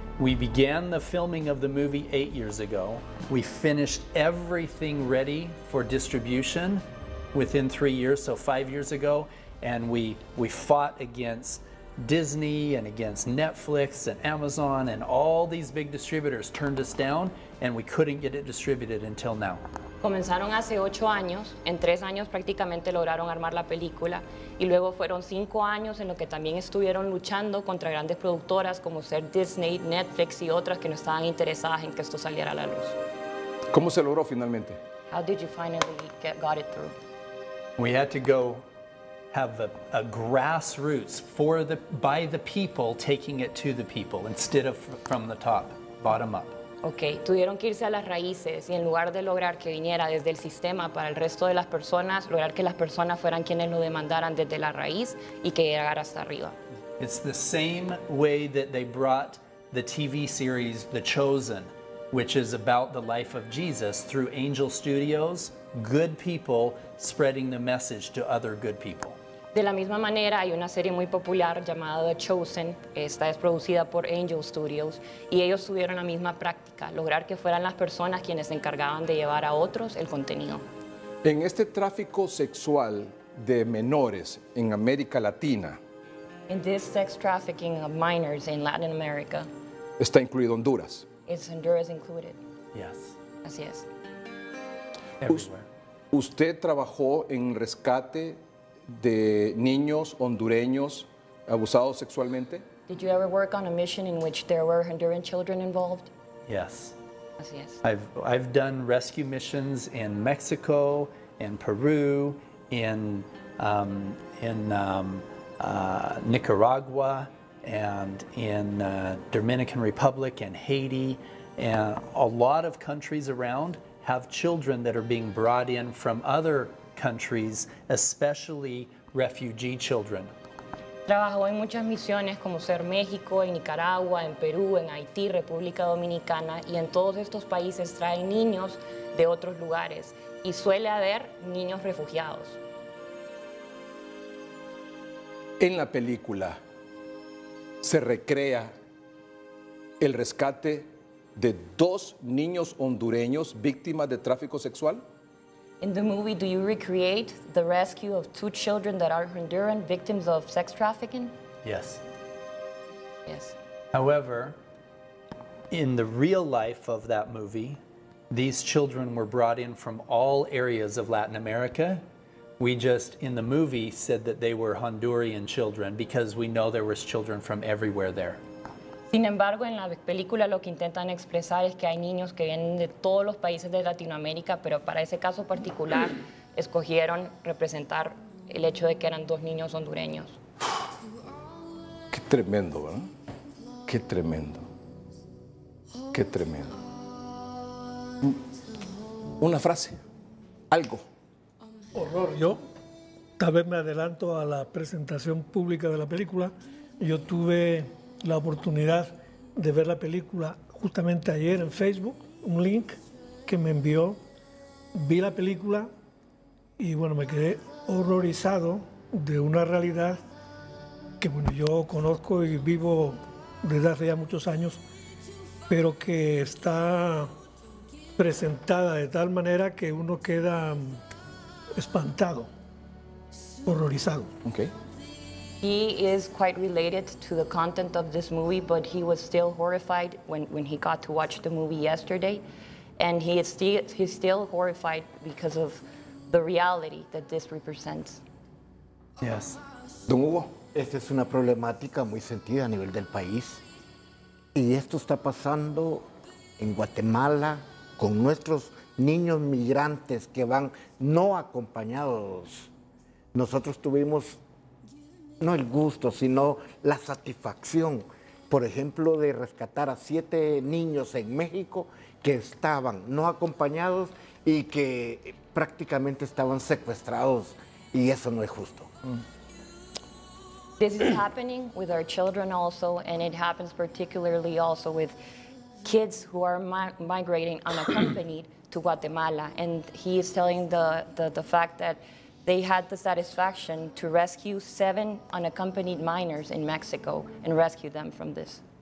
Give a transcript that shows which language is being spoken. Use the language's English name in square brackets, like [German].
[English] We began the filming of the movie 8 years ago. We finished everything ready for distribution within 3 years, so 5 years ago, and we fought against Disney and against Netflix and Amazon, and all these big distributors turned us down, and we couldn't get it distributed until now. [Spanish] Comenzaron hace 8 años, en 3 años prácticamente lograron armar la película y luego fueron 5 años en lo que también estuvieron luchando contra grandes productoras como ser Disney, Netflix y otras que no estaban interesadas en que esto saliera a la luz. ¿Cómo se logró finalmente? [English] How did you finally got it through? We had to go have a grassroots for the by the people taking it to the people instead of from the top, bottom up. [Spanish] Okay, tuvieron que irse a las raíces y en lugar de lograr que viniera desde el sistema para el resto de las personas, lograr que las personas fueran quienes lo demandaran desde la raíz y que llegara hasta arriba. [English] It's the same way that they brought the TV series The Chosen, which is about the life of Jesus, through Angel Studios, good people spreading the message to other good people. [Spanish] De la misma manera, hay una serie muy popular llamada The Chosen. Esta es producida por Angel Studios y ellos tuvieron la misma práctica, lograr que fueran las personas quienes se encargaban de llevar a otros el contenido. En este tráfico sexual de menores en América Latina, [English] in this sex trafficking of minors in Latin America, [Spanish] está incluido Honduras. [English] Is Honduras included? Yes. [Spanish] Así es. [English] Everywhere. [Spanish] Usted trabajó en rescate de niños hondureños abusados sexualmente? [English] Did you ever work on a mission in which there were Honduran children involved? Yes. [Spanish] Así es. [English] I've done rescue missions in Mexico, in Peru, in Nicaragua, and in Dominican Republic and Haiti, and a lot of countries around have children that are being brought in from other countries, especially refugee children. [Spanish] Trabajó en muchas misiones como ser México, en Nicaragua, en Perú, en Haití, República Dominicana, y en todos estos países traen niños de otros lugares y suele haber niños refugiados. En la película se recrea el rescate de 2 niños hondureños víctimas de tráfico sexual. [English] In the movie, do you recreate the rescue of 2 children that are Honduran victims of sex trafficking? Yes. Yes. However, in the real life of that movie, these children were brought in from all areas of Latin America. We just, in the movie, said that they were Honduran children because we know there was children from everywhere there. [Spanish] Sin embargo, en la película lo que intentan expresar es que hay niños que vienen de todos los países de Latinoamérica, pero para ese caso particular escogieron representar el hecho de que eran 2 niños hondureños. Qué tremendo, ¿verdad? Qué tremendo. Qué tremendo. Una frase, algo. Horror. Yo tal vez me adelanto a la presentación pública de la película. Yo tuve la oportunidad de ver la película justamente ayer en Facebook, un link que me envió. Vi la película y bueno, me quedé horrorizado de una realidad que bueno, yo conozco y vivo desde hace ya muchos años, pero que está presentada de tal manera que uno queda espantado, horrorizado. [English] Okay. He is quite related to the content of this movie, but he was still horrified when he got to watch the movie yesterday. And he's still horrified because of the reality that this represents. Yes. [Spanish] Don Hugo. Esta es una problemática muy sentida a nivel del país. Y esto está pasando en Guatemala con nuestros niños migrantes que van no acompañados. Nosotros tuvimos no el gusto, sino la satisfacción, por ejemplo, de rescatar a 7 niños en México que estaban no acompañados y que prácticamente estaban secuestrados, y eso no es justo. [English] This is happening with our children also, and it happens particularly also with kids who are migrating unaccompanied to Guatemala, and he is telling the fact that they had the satisfaction to rescue 7 unaccompanied minors in Mexico and rescue them from this.